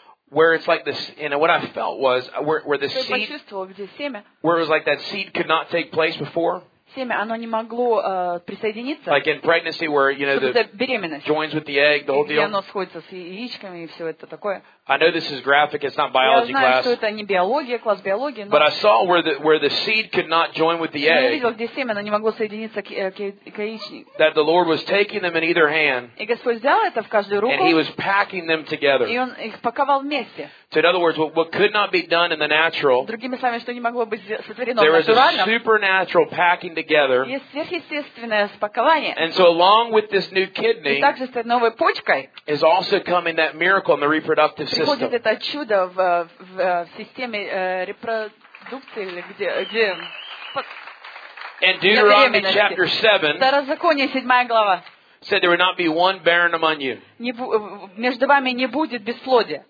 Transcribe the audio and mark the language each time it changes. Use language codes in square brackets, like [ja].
[en] Where it's like this, you know, what I felt was where the seed, where it was like that seed could not take place before. [ru] Семя, оно не могло присоединиться. [en] Like in pregnancy, where you know the joins with the egg, the whole deal. [ru] И оно сходится с яичками и все это такое. [en] I know this is graphic; it's not biology class. [ru] Я знаю, что это не биология, класс биологии. [en] But I saw where the seed could not join with the egg. [ru] Я видел, где семя, оно не могло соединиться к яичнику. [en] That the Lord was taking them in either hand. [ru] И Господь взял это в каждую руку. [en] And He was packing them together. [ru] И он их паковал вместе. [en] So in other words, what could not be done in the natural, [ru] другими словами, что не могло быть сотворено в натуральном, [en] there was a supernatural packing together. [ru] Есть сверхъестественное спакование. [en] And so along with this new kidney, [ru] и также с этой новой почкой, [en] is also coming that miracle in the reproductive system. [ru] Приходит это чудо в системе репродукции, или где [en] in Deuteronomy chapter 7, [ru] Второзаконие, 7 глава. [en] Said there would not be one barren among you. [ru] Между вами не будет бесплодия.